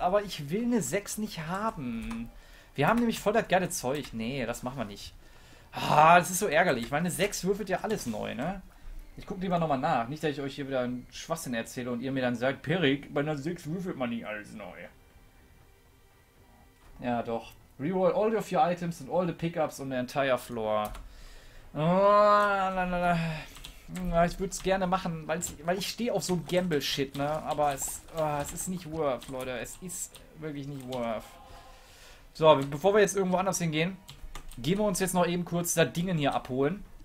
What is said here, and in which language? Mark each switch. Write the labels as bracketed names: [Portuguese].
[German] Aber ich will eine 6 nicht haben. Wir haben nämlich voll das geile Zeug. Nee, das machen wir nicht. Ah, das ist so ärgerlich. Ich meine, eine 6 würfelt ja alles neu, ne? Ich gucke lieber nochmal nach. Nicht, dass ich euch hier wieder einen Schwachsinn erzähle und ihr mir dann sagt, Perik, bei einer 6 würfelt man nicht alles neu. Ja, doch. [English] Reroll all of your items and all the pickups on the entire floor. [German] Ich würde es gerne machen, weil ich stehe auf so Gamble-Shit, ne? Aber es ist nicht worth, Leute. Es ist wirklich nicht worth. So, bevor wir jetzt irgendwo anders hingehen, gehen wir uns jetzt noch eben kurz das Ding hier abholen.